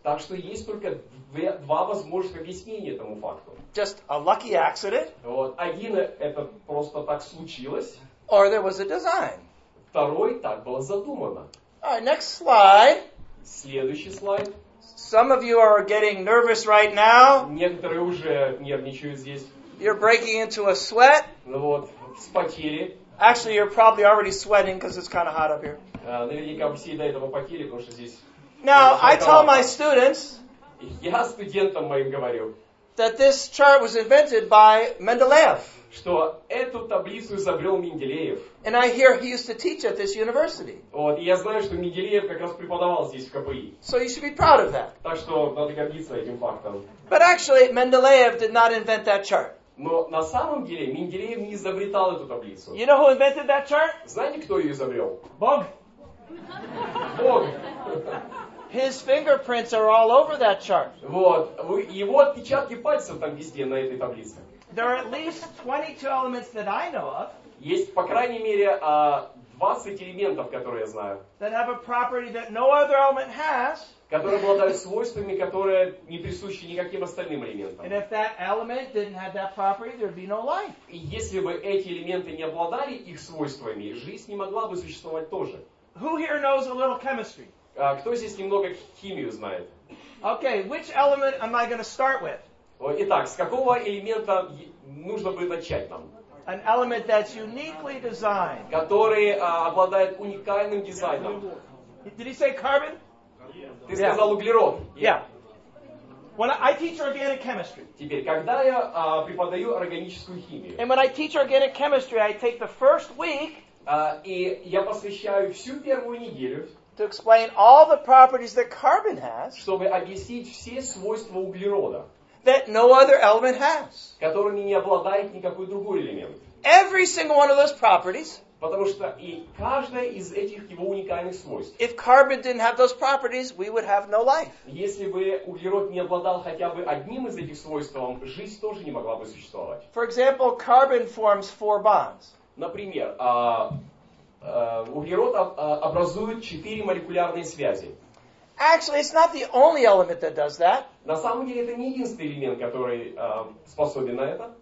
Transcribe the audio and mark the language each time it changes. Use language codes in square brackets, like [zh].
[ru] Так что есть только два возможных объяснения этому факту. [en] Just a lucky accident. Вот. [ru] Один, это просто так случилось. [en] Or there was a design. [ru] Второй, так было задумано. [en] All right, next slide. [ru] Следующий слайд. [en] Some of you are getting nervous right now. [ru] Некоторые уже нервничают здесь. [en] You're breaking into a sweat. [ru] Ну вот, вспотели. [en] Actually, you're probably already sweating because it's kind of hot up here. [ru] Наверняка все до этого потели, потому что здесь. [en] Now, I tell my students. [ru] Я студентам моим говорю. [en] That this chart was invented by Mendeleev. [ru] Что эту таблицу изобрел Менделеев. [en] And I hear he used to teach at this university. [ru] Вот, и я знаю, что Менделеев как раз преподавал здесь в КПИ. [en] So you should be proud of that. [ru] Так что надо гордиться этим фактом. [en] But actually, Mendeleev did not invent that chart. [ru] Но на самом деле Менделеев не изобретал эту таблицу. [en] You know who invented that chart? [ru] Знаете, кто ее изобрел? Бог. Бог. [en] His fingerprints are all over that chart. [ru] Вот, его отпечатки пальцев там везде на этой таблице. [en] There are at least 22 elements that I know of. [ru] Есть по крайней мере 20 элементов, которые я знаю. [en] That have a property that no other element has. [ru] Которые обладают свойствами, которые не присущи никаким остальным элементам. [en] And if that element didn't have that property, there'd be no life. [ru] И если бы эти элементы не обладали их свойствами, жизнь не могла бы существовать тоже. [en] Who here knows a little chemistry? [ru] Кто здесь немного химию знает? [en] Okay, which element am I going to start with? [ru] Итак, с какого элемента нужно бы начать нам? [en] An element that's uniquely designed. [ru] Который обладает уникальным дизайном. [en] Did he say carbon? [ru] Ты сказал углерод. Yeah. [en] When I teach organic chemistry. [ru] Теперь, когда я преподаю органическую химию. [en] And when I teach organic chemistry, I take the first week. [ru] И я посвящаю всю первую неделю. [en] To explain all the properties that carbon has. [ru] Чтобы объяснить все свойства углерода. [en] That no other element has. [ru] Которыми не обладает никакой другой элемент. [en] Every single one of those properties. [ru] Потому что и каждая из этих его уникальных свойств. [en] If carbon didn't have those properties, we would have no life. [ru] Если бы углерод не обладал хотя бы одним из этих свойств, жизнь тоже не могла бы существовать. [en] For example, carbon forms four bonds. [ru] Например, углерод образует четыре молекулярные связи. [en] Actually, it's not the only element that does that. [ru] На самом деле, это не единственный элемент, который способен на это.